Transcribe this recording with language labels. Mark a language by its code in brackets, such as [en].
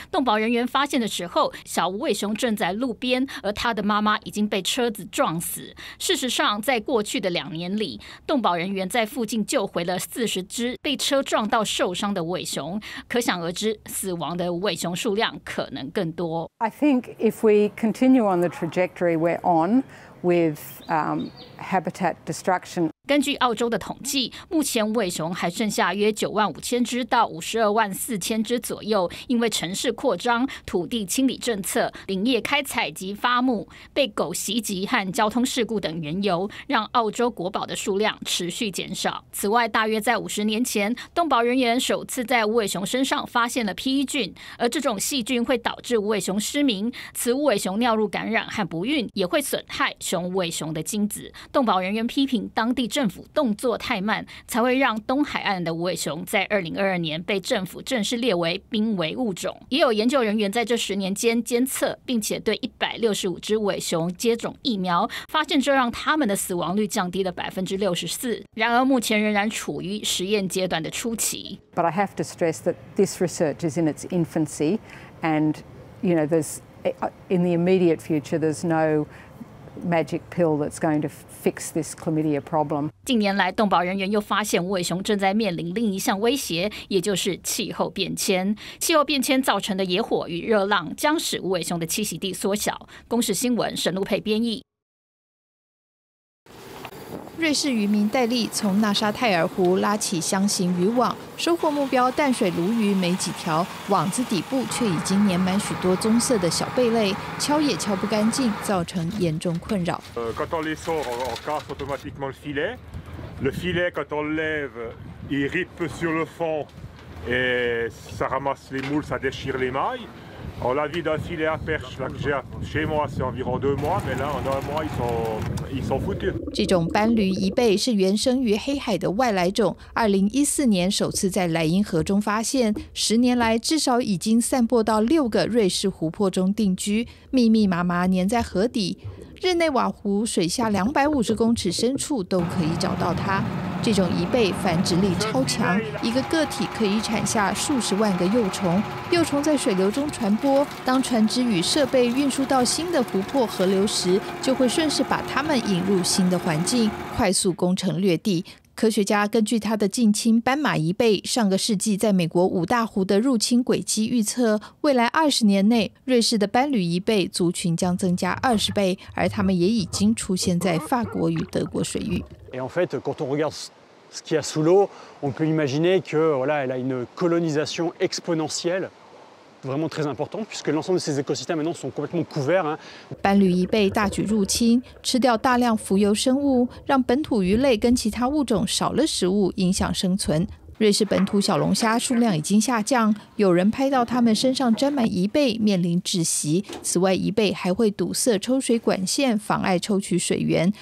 [zh] 动保人员发现的时候，小无尾熊正在路边，而他的妈妈已经被车子撞死。事实上，在过去的两年里，动保人员在附近救回了40只被车撞到受伤的无尾熊，可想而知，死亡的无尾熊数量可能更多。 [en] I think if we continue on the trajectory we're on. With habitat destruction. [zh] 根据澳洲的统计，目前无尾熊还剩下约95000只到524000只左右，因为城市扩张、土地清理政策、林业开采及伐木、被狗袭击和交通事故等缘由，让澳洲国宝的数量持续减少。此外，大约在50年前，动保人员首次在无尾熊身上发现了 PE 菌，而这种细菌会导致无尾熊失明，此无尾熊尿路感染和不孕也会损害。熊尾熊的精子，动保人员批评当地政府动作太慢，才会让东海岸的无尾熊在2022年被政府正式列为濒危物种。也有研究人员在这10年间监测，并且对165只无尾熊接种疫苗，发现这让他们的死亡率降低了64%。然而，目前仍然处于实验阶段的初期。 [en] But I have to stress that this research is in its infancy, and you know, there's in the immediate future, there's no. Magic pill that's going to fix this chlamydia problem. [zh] 近年来，动保人员又发现无尾熊正在面临另一项威胁，也就是气候变迁。气候变迁造成的野火与热浪将使无尾熊的栖息地缩小。公视新闻沈露佩编译。瑞士渔民戴利从纳沙泰尔湖拉起箱型渔网，收获目标淡水鲈鱼没几条，网子底部却已经粘满许多棕色的小贝类，敲也敲不干净，造成严重困扰。 [fr] Quand on les sort, on casse automatiquement le filet. Le filet, quand on lève, il rippe sur le fond et ça ramasse les moules, ça déchire les mailles. Alors la vie d'un filet à perche, là que j'ai chez moi, c'est environ 2 mois, mais là, en 1 mois, ils sont foutus. [zh] 这种斑鲈贻贝是原生于黑海的外来种，2014年首次在莱茵河中发现，10年来至少已经散播到6个瑞士湖泊中定居，密密麻麻粘在河底。日内瓦湖水下250公尺深处都可以找到它。这种贻贝繁殖力超强，一个个体可以产下数10万个幼虫。幼虫在水流中传播，当船只与设备运输到新的湖泊河流时，就会顺势把它们引入新的环境，快速攻城略地。科学家根据他的近亲斑马贻贝上个世纪在美国5大湖的入侵轨迹预测，未来20年内，瑞士的斑鲈贻贝族群将增加20倍，而他们也已经出现在法国与德国水域。 [fr] Et en fait, quand on regarde ce qu'il y a sous l'eau, on peut imaginer que voilà, elle a une colonisation exponentielle. Vraiment très important, puisque l'ensemble de ces écosystèmes maintenant sont complètement couverts. [zh] 斑鲈贻贝大举入侵，吃掉大量浮游生物，让本土鱼类跟其他物种少了食物，影响生存。瑞士本土小龙虾数量已经下降，有人拍到它们身上沾满贻贝，面临窒息。此外，贻贝还会堵塞抽水管线，妨碍抽取水源。